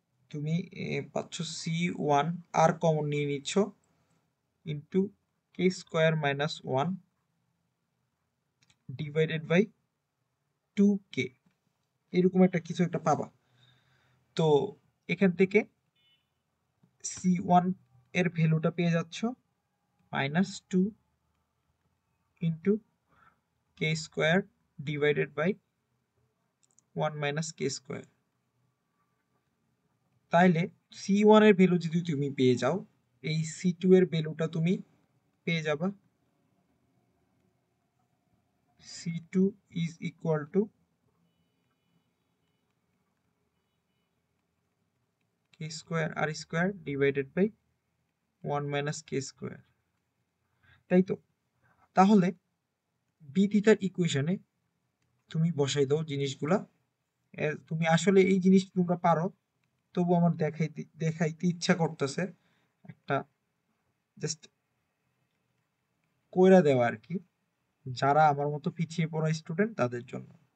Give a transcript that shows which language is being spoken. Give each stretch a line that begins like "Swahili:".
Bangla: তুমি পাচ্ছ C one আর common নিয়ে নিচ্ছ into k square minus one divided by two কে, এরকম একটা কিছু একটা পাবা। তো এখান থেকে
English: C1
Bangla: এর ভ্যালুটা পেয়ে যাচ্ছ
English: minus 2 into k square divided by 1 minus k square.
Bangla: তাইলে C1 এর ভ্যালু যদি তুমি পেয়ে যাও, এই C2 এর ভ্যালুটা তুমি পেয়ে যাবা.
English: C2 is equal to k square r square divided by 1 minus k square.
Bangla: তাই তো, তাহলে b theta equation এ তুমি বসাই দাও জিনিসগুলা. তুমি আসলে এই জিনিস তোমরা পারো, তবু আমার দেখাইতে ইচ্ছা করতেছে, একটা জাস্ট কইরা দেওয়া আর কি, যারা আমার মতো পিছিয়ে পড়া স্টুডেন্ট তাদের জন্য.